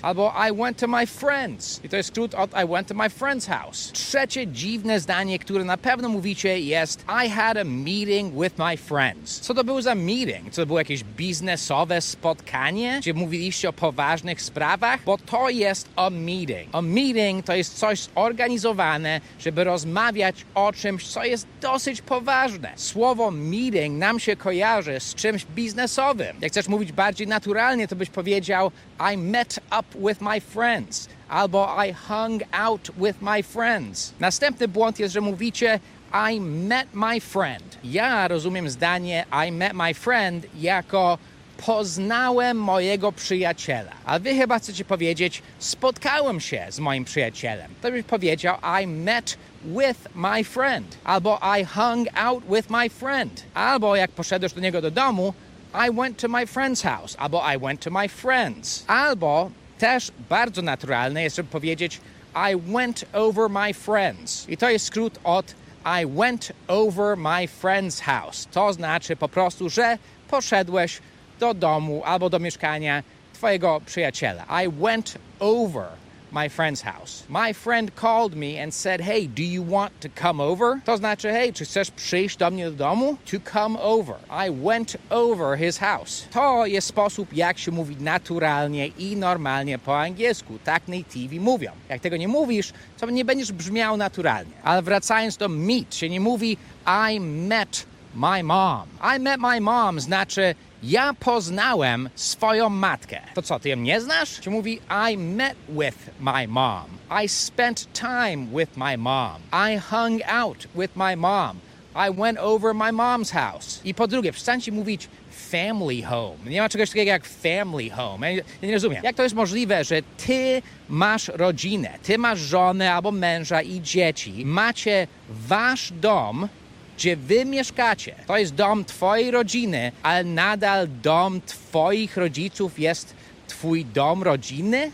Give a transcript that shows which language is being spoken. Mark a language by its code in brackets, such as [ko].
[en] Albo I went to my friend's. [pl] I to jest skrót od [en] I went to my friend's house. [pl] Trzecie dziwne zdanie, które na pewno mówicie jest [en] I had a meeting with my friends. [pl] Co to był za meeting? Co to było jakieś biznesowe spotkanie? Gdzie mówiliście o poważnych sprawach? Bo to jest a meeting. A meeting to jest coś zorganizowane, żeby rozmawiać o czymś, co jest dosyć poważne. Słowo meeting nam się kojarzy z czymś biznesowym. Jak chcesz mówić bardziej naturalnie, to byś powiedział [en] I met up with my friends albo I hung out with my friends. [pl] Następny błąd jest, że mówicie [en] I met my friend. [pl] Ja rozumiem zdanie [en] I met my friend [pl] jako poznałem mojego przyjaciela. A wy chyba chcecie powiedzieć spotkałem się z moim przyjacielem. To byś powiedział [en] I met with my friend. Albo I hung out with my friend. [pl] Albo jak poszedłeś do niego do domu, [en] I went to my friend's house. Albo I went to my friend's. [pl] Albo też bardzo naturalne jest, żeby powiedzieć [en] I went over my friend's. [pl] I to jest skrót od [en] I went over my friend's house. [pl] To znaczy po prostu, że poszedłeś do domu albo do mieszkania twojego przyjaciela. [en] I went over my friend's house. My friend called me and said, hey, do you want to come over? [pl] To znaczy, hey, czy chcesz przyjść do mnie do domu? [en] To come over. I went over his house. [pl] To jest sposób, jak się mówi naturalnie i normalnie po angielsku. Tak native mówią. Jak tego nie mówisz, to nie będziesz brzmiał naturalnie. Ale wracając do meet, się nie mówi [en] I met my mom. I met my mom [pl] znaczy ja poznałem swoją matkę. To co, ty ją nie znasz? Czy mówi [en] I met with my mom. I spent time with my mom. I hung out with my mom. I went over my mom's house. [pl] I po drugie, przestańcie mówić family home. Nie ma czegoś takiego jak family home. Ja nie rozumiem. Jak to jest możliwe, że ty masz rodzinę, ty masz żonę albo męża i dzieci, macie wasz dom, gdzie wy mieszkacie. To jest dom twojej rodziny, ale nadal dom twoich rodziców jest twój dom rodzinny?